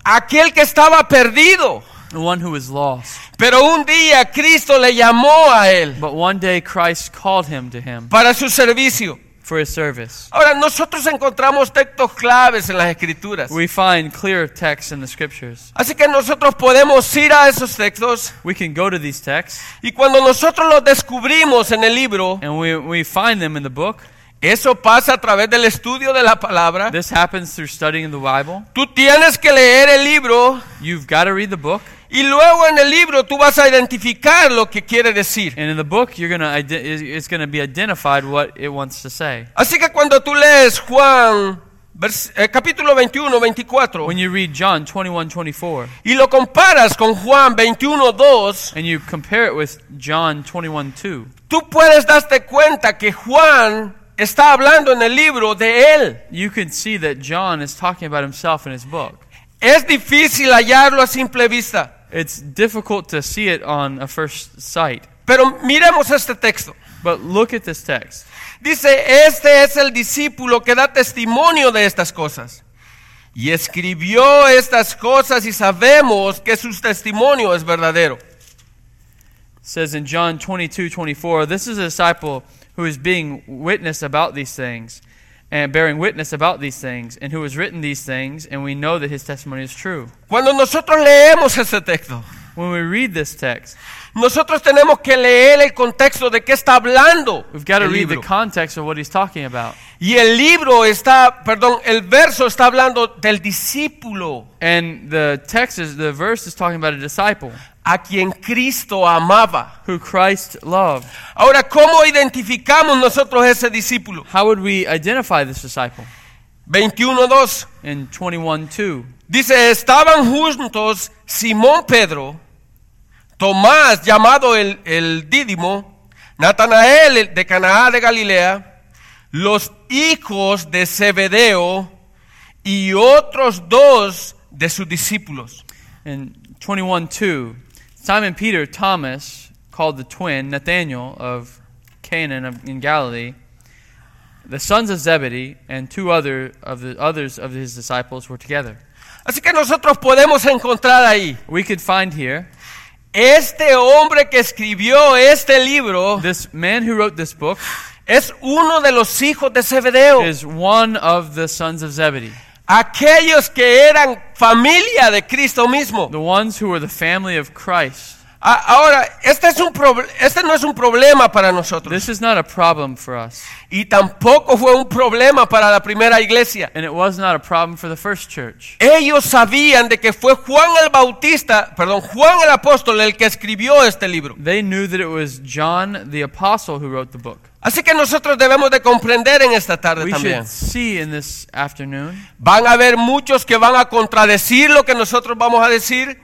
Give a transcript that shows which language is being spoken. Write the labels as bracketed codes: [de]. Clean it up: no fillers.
[es] Aquel que estaba perdido. [en] The one who was lost. [es] Pero un día Cristo le llamó a él. [en] But one day Christ called him to him. [es] Para su servicio. [en] For his service. [es] Ahora nosotros encontramos textos claves en las escrituras. [en] We find clear texts in the scriptures. [es] Así que nosotros podemos ir a esos textos. [en] We can go to these texts. [es] Y cuando nosotros los descubrimos en el libro. [en] And we find them in the book. [es] Eso pasa a través del estudio de la palabra. [en] This happens through studying the Bible. [es] Tú tienes que leer el libro. [en] You've got to read the book. [es] Y luego en el libro tú vas a identificar lo que quiere decir. [en] And in the book you're gonna it's gonna be identified what it wants to say. [es] Así que cuando tú lees Juan capítulo 21, 24. [en] When you read John 21, 24. [es] Y lo comparas con Juan 21, 2. [en] And you compare it with John 21, 2. [es] Tú puedes darte cuenta que Juan está hablando en el libro de él. [en] You can see that John is talking about himself in his book. [es] Es difícil hallarlo a simple vista. [en] It's difficult to see it on a first sight. [es] Pero miremos este texto. [en] But look at this text. [es] Dice, este es el discípulo que da testimonio de estas cosas. Y escribió estas cosas y sabemos que su testimonio es verdadero. [en] It says in John 22, 24, this is a disciple who is being witness about these things and bearing witness about these things and who has written these things, and we know that his testimony is true. [es] Cuando nosotros leemos ese texto, [en] when we read this text, [es] nosotros tenemos que leer el contexto de qué está hablando. [en] We've got to read libro. The context of what he's talking about. [es] Y el libro está, perdón, el verso está hablando del discípulo. [en] And the verse is talking about a disciple. [es] A quien Cristo amaba. [en] Who Christ loved. [es] Ahora, ¿cómo identificamos nosotros ese discípulo? [en] How would we identify this disciple? [es] 21:2. [en] In 21:2. [es] Dice, estaban juntos Simón Pedro, Tomás, llamado el Dídimo, Natanael de Caná de Galilea, los hijos de Zebedeo y otros dos de sus discípulos. [en] In 21:2, Simon Peter, Thomas, called the twin, Nathanael of Canaan in Galilee, the sons of Zebedee, and two others of his disciples were together. [es] Así que nosotros podemos encontrar ahí. [en] We could find here. [es] Este hombre que escribió este libro. [en] This man who wrote this book. [es] Es uno de los hijos de Zebedeo. [en] Is one of the sons of Zebedee. [es] Aquellos que eran familia de Cristo mismo. [en] The ones who were the family of Christ. [es] Ahora, este no es un problema para nosotros. [en] This is not a problem for us. [es] Y tampoco fue un problema para la primera iglesia. [en] And it was not a problem for the first church. [es] Ellos sabían de que fue Juan el apóstol el que escribió este libro. [en] They knew that it was John the apostle who wrote the book. [es] Así que nosotros debemos de comprender en esta tarde [en] we [es] también. [en] See in this afternoon, [es] van a haber muchos que van a contradecir lo que nosotros vamos a decir.